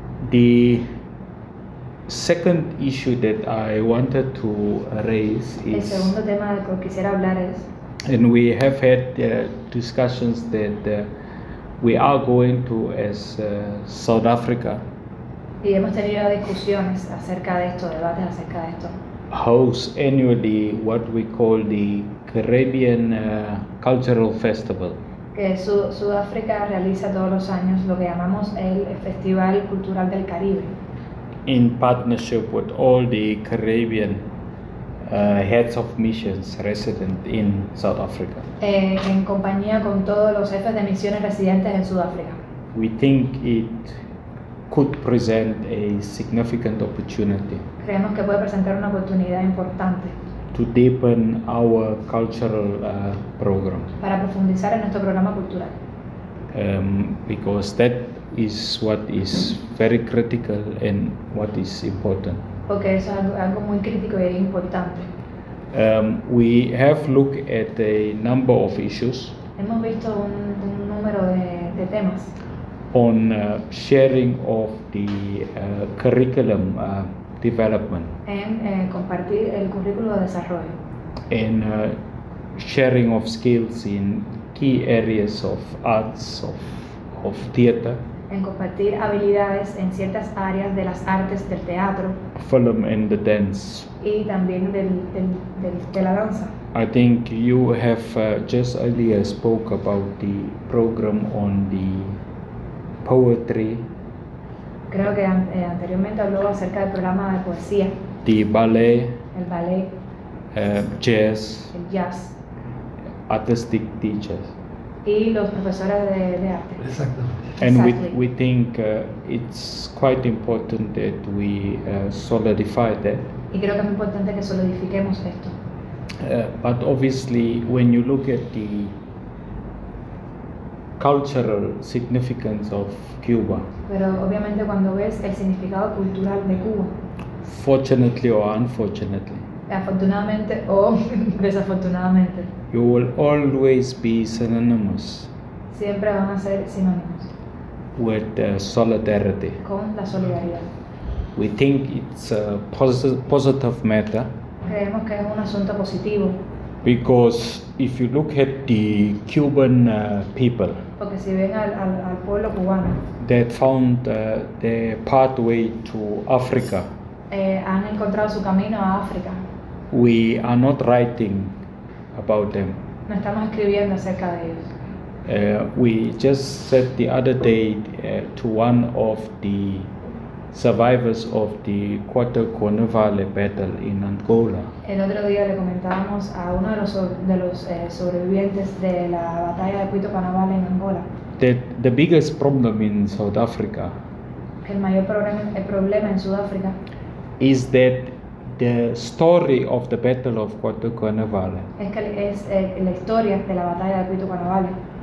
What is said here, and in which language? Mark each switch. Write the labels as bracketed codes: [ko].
[en] The second issue that I wanted to raise is. [es] El segundo tema del que quisiera hablar es. [en] And we have had discussions that we are going to as South Africa. [es] Y hemos tenido discusiones acerca de esto, debates acerca de esto. [en] Hosts annually what we call the Caribbean Cultural Festival. [es] Que Sudáfrica realiza todos los años lo que llamamos el Festival Cultural del Caribe. [en] In partnership with all the Caribbean heads of missions resident in South Africa. [es] En compañía con todos los jefes de misiones residentes en Sudáfrica. [en] We think it could present a significant opportunity. [es] Creemos que puede presentar una oportunidad importante. [en] to deepen our cultural program. [es] Para profundizar en nuestro programa cultural. [en] Because that is what is very critical and what is important. [es] Porque eso es algo muy crítico y importante. [en] We have looked at a number of issues. [es] Hemos visto un número de temas. [en] On sharing of the curriculum development. [es] En compartir el currículo de desarrollo. [en] And sharing of skills in key areas of arts of theater. [es] En compartir habilidades en ciertas áreas de las artes del teatro. [en] Film and the dance. [es] Y también de la danza. [en] I think you have just earlier spoke about the program on the poetry. [es] Creo que anteriormente habló acerca del programa de poesía. [en] The ballet. [es] El ballet. [en] Jazz. [es] El jazz. [en] Artistic teachers. [es] Y los profesores de arte. [en] Exactly. And we think it's quite important that we solidify that. [es] Y creo que es muy importante que solidifiquemos esto. [en] But obviously, when you look at the cultural significance of Cuba. [es] Pero obviamente cuando ves el significado cultural de Cuba. [en] Fortunately or unfortunately. [es] Afortunadamente o desafortunadamente. [en] You will always be synonymous. [es] Siempre van a ser sinónimos. [en] With solidarity. [es] Con la solidaridad. [en] We think it's a positive matter. [es] Creemos que es un asunto positivo. [en] Because if you look at the Cuban people. [es] Porque si ven al pueblo cubano. [en] That found their pathway to Africa. [es] Han encontrado su camino a África. [en] We are not writing about them. [es] No estamos escribiendo acerca de ellos. [en] We just said the other day to one of the survivors of the Cuatro Carnavale battle in Angola. [es] El otro día le comentábamos a uno de los sobrevivientes de la batalla de Cuatro Carnavale en Angola. [en] That the biggest problem in South Africa. [es] Que el mayor problema en Sudáfrica. [en] Is that the story of the battle of Cuatro Carnavale. [es] Es que es la historia de la batalla de Cuatro Carnavale.